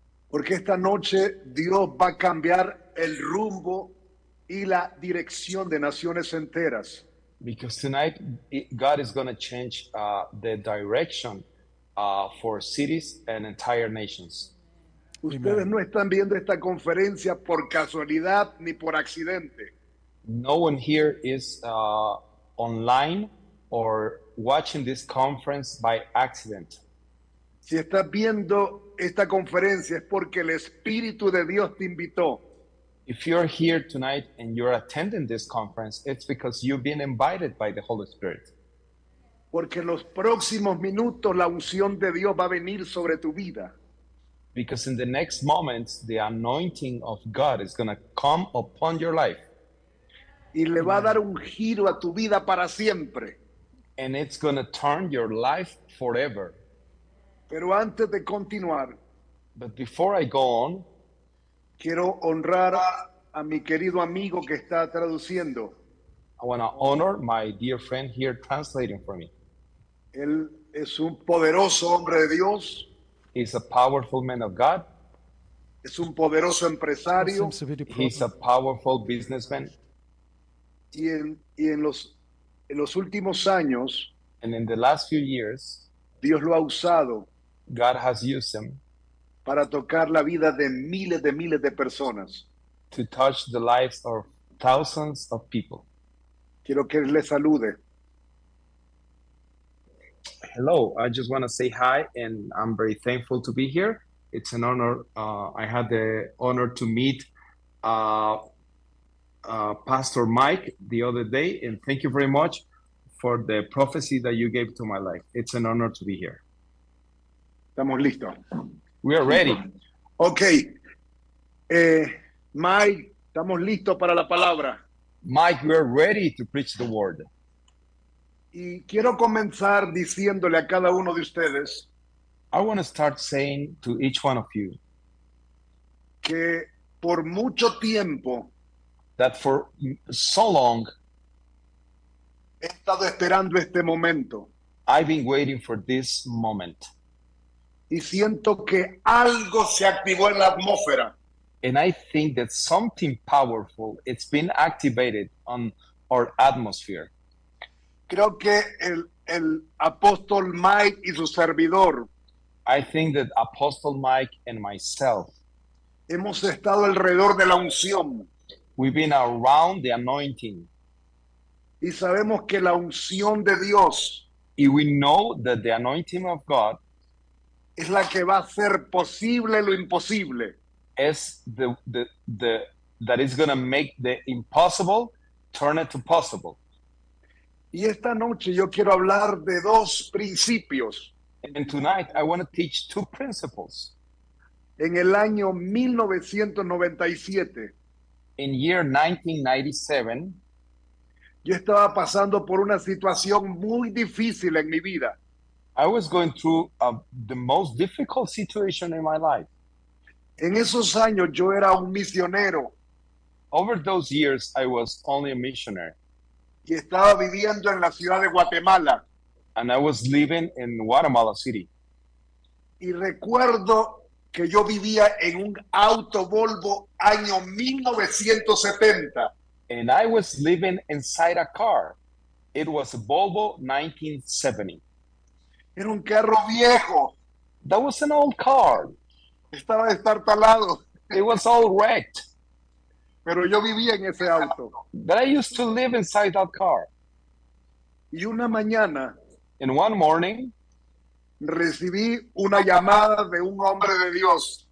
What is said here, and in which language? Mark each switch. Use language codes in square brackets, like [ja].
[es] Porque esta noche Dios va a cambiar el rumbo y la dirección de naciones enteras. [en] Because tonight, God is going to change the direction for cities and entire nations. [es] Ustedes no están viendo esta conferencia por casualidad ni por accidente. [en] No one here is online or watching this conference by accident. [es] Si estás viendo esta conferencia es porque el Espíritu de Dios te invitó. [en] If you're here tonight and you're attending this conference, it's because you've been invited by the Holy Spirit. [es] Porque en los próximos minutos la unción de Dios va a venir sobre tu vida. [en] Because in the next moments, the anointing of God is going to come upon your life. [es] Y le va a dar un giro a tu vida para siempre. [en] And it's going to turn your life forever. [es] Pero antes de continuar. [en] But before I go on. [es] Quiero honrar a mi querido amigo que está traduciendo. [en] I want to honor my dear friend here translating for me. [es] Él es un poderoso hombre de Dios. [en] He's a powerful man of God. [es] Es un poderoso empresario. [en] He's a powerful businessman. [es] Y en los últimos años, [en] and in the last few years, [es] Dios lo ha usado. [en] God has used him [es] para tocar la vida de miles de personas. [en] To touch the lives of thousands of people. [es] Quiero que le salude. [en] Hello, I just want to say hi, and I'm very thankful to be here. It's an honor. I had the honor to meet Pastor Mike the other day, and thank you very much for the prophecy that you gave to my life. It's an honor to be here. [es] Estamos listos. [en] We are ready. [es] Okay. Mike, estamos listos para la palabra. [en] Mike, we are ready to preach the word. [es] Y quiero comenzar diciéndole a cada uno de ustedes. [en] I want to start saying to each one of you [es] que por mucho tiempo, [en] that for so long, [es] he estado esperando este momento. [en] I've been waiting for this moment. [es] Y siento que algo se activó en la atmósfera. [en] And I think that something powerful, it's been activated on our atmosphere. [es] Creo que el apóstol Mike y su servidor, [en] I think that Apostle Mike and myself, [es] hemos estado alrededor de la unción. [en] We've been around the anointing. [es] Y sabemos que la unción de Dios, [en] and we know that the anointing of God, [es] es la que va a hacer posible lo imposible. [en] Is the that is going to make the impossible turn it to possible. [es] Y esta noche yo quiero hablar de dos principios. [en] And tonight I want to teach two principles. [es] En el año 1997. [en] In year 1997. [es] Yo estaba pasando por una situación muy difícil en mi vida. [en] I was going through the most difficult situation in my life. [es] En esos años yo era un misionero. [en] Over those years I was only a missionary. [es] Y estaba viviendo en la ciudad de Guatemala. [en] And I was living in Guatemala City. [es] Y recuerdo que yo vivía en un auto Volvo año 1970. [en] And I was living inside a car. It was a Volvo 1970. [es] Era un carro viejo. [en] That was an old car. [es] Estaba destartalado. [en] It was all wrecked. [es] Pero yo vivía en ese auto. [en] But I used to live inside that car. [es] Y una mañana, [en] in one morning, [es] recibí una llamada de un hombre de Dios.